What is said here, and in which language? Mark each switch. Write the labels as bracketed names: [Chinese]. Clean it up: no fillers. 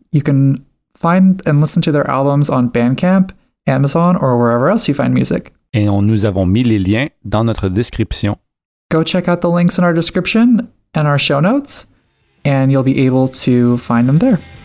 [English] You can find and listen to their albums on Bandcamp, Amazon, or wherever else you find music. [French] Et nous avons mis les liens dans notre description. [English] Go check out the links in our description and our show notes, and you'll be able to find them there.